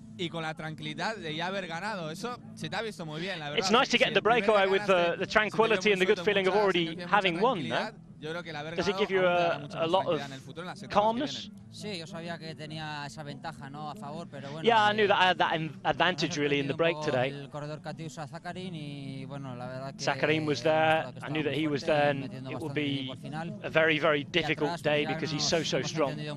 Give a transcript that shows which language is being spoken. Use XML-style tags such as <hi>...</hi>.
<es>Y con la tranquilidad de ya haber ganado. Eso se te ha visto muy bien, la verdad.</es> <en>It's nice to get the breakaway with the tranquility and the good feeling of already having won, no?</en> <es>Yo creo que el haber ganado.</es> <en>Does it give you a lot of calmness?</en> <es>Sí, yo sabía que tenía esa ventaja, ¿no? A favor, pero bueno.</es> <en>Yeah, I knew that I had that advantage really in the break today.</en> <es>El corredor Katiusa Zakarin y bueno, la verdad que</es> <en>Zakarin was there. I knew that he was there, and it would be a very, very difficult day because he's so strong.</en>